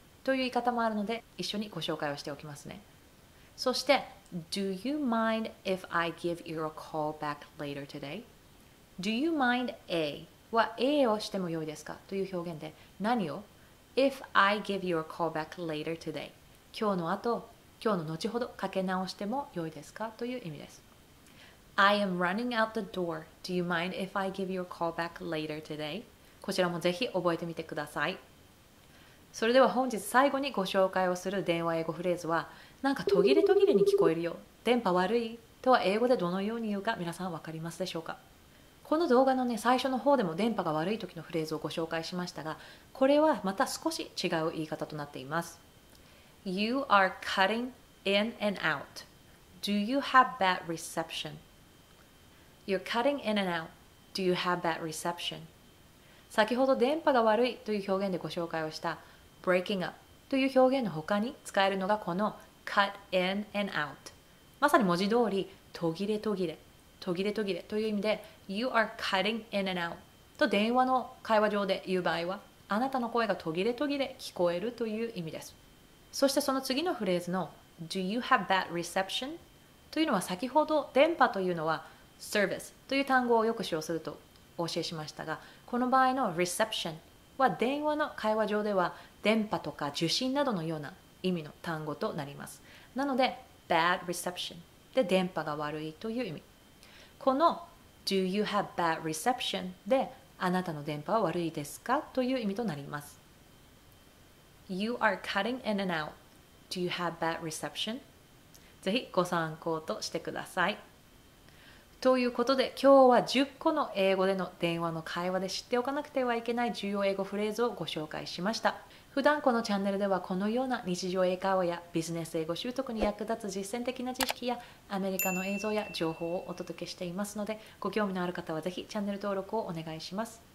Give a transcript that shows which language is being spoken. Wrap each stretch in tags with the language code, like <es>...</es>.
<ja>という言い方もあるので一緒にご紹介をしておきますね。そして、</ja> <en>Do you mind if I give you a call back later today? Do you mind A?</en> <ja>は A をしてもよいですかという表現で何を</ja> <en>If I give you a call back later today.</en> <ja>今日の後、今日の後ほどかけ直してもよいですかという意味です。</ja> <en>I am running out the door. Do you mind if I give you a call back later today?</en> <ja>こちらもぜひ覚えてみてください。それでは本日最後にご紹介をする電話英語フレーズはなんか途切れ途切れに聞こえるよ。電波悪いとは英語でどのように言うか皆さんわかりますでしょうか。この動画のね最初の方でも電波が悪い時のフレーズをご紹介しましたが、これはまた少し違う言い方となっています。</ja> <en>You are cutting in and out. Do you have bad reception? You're cutting in and out. Do you have bad reception?</en> <ja>先ほど電波が悪いという表現でご紹介をした</ja> <en>breaking up</en> <ja>という表現の他に使えるのがこの</ja> <en>cut in and out</en> <ja>まさに文字通り途切れ途切れ途切れ途切れという意味で</ja> <en>You are cutting in and out</en> <ja>と電話の会話上で言う場合はあなたの声が途切れ途切れ聞こえるという意味です。そしてその次のフレーズの</ja> <en>Do you have bad reception?</en> <ja>というのは先ほど電波というのは service という単語をよく使用するとお教えしましたがこの場合の reception は電話の会話上では電波とか受信などのような意味の単語となります。なので、</ja> <en>bad reception</en> <ja>で電波が悪いという意味。この</ja> <en>Do you have bad reception</en> <ja>であなたの電波は悪いですかという意味となります。</ja> <en>You are cutting in and out. Do you have bad reception?</en> <ja>ぜひご参考としてください。ということで、今日は10個の英語での電話の会話で知っておかなくてはいけない重要英語フレーズをご紹介しました。普段このチャンネルではこのような日常英会話やビジネス英語習得に役立つ実践的な知識やアメリカの映像や情報をお届けしていますので、ご興味のある方はぜひチャンネル登録をお願いします。</ja>